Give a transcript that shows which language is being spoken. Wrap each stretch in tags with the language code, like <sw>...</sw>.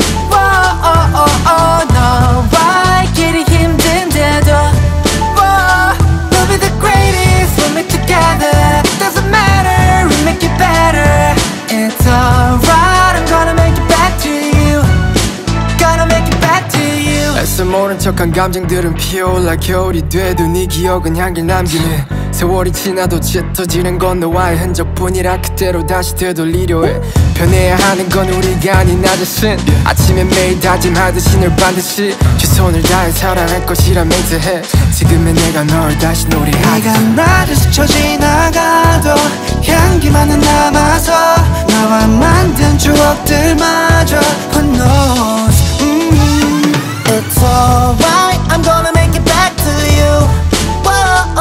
<ko>Whoa-oh-oh-oh. 너와 이 길이 힘든데도.</ko> <en>Whoa, we'll be the greatest. We'll make together. Doesn't matter, we'll make it better. It's alright, I'm gonna make it back to you. Gonna make it back to you.</en> <ko>애써 모른 척한 감정들은 피어올라 겨울이 돼도 네 기억은 향기를 남기네. 세월이 지나도 짙어지는 건 너와의 흔적뿐이라 그대로 다시 되돌리려 해. 변해야 하는 건 우리가 아닌 나 자신. 아침에 매일 다짐하듯이 늘 반드시 최선을 다해 사랑할 것이라 맹세해. 지금의 내가 널 다시 노래하지. 네가 나를 스쳐 지나가도 향기만은 남아서 너와 만든 추억들마저.</ko> <en>Who knows. It's alright, I'm gonna make it back to you.</en>